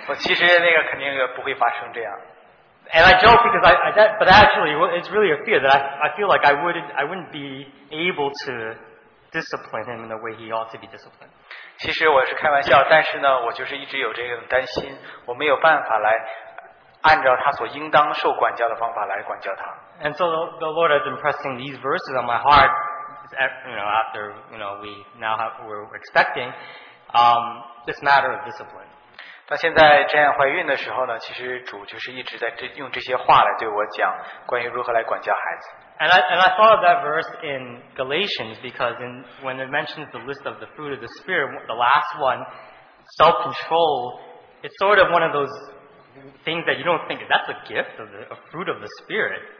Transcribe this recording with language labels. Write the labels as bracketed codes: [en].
[en] And I joke because but actually, it's really a fear that I feel like I wouldn't be able to discipline him in the way he ought to be disciplined. [zh] 其实我是开玩笑，但是呢，我就是一直有这个担心，我没有办法来按照他所应当受管教的方法来管教他。 [en] And so the Lord has been pressing these verses on my heart, after we're expecting this matter of discipline. [zh] 那现在这样怀孕的时候呢，其实主就是一直在用这些话来对我讲关于如何来管教孩子。 [en] And I thought of that verse in Galatians because when it mentions the list of the fruit of the Spirit, the last one, self-control, it's sort of one of those things that you don't think that's a gift of a fruit of the Spirit.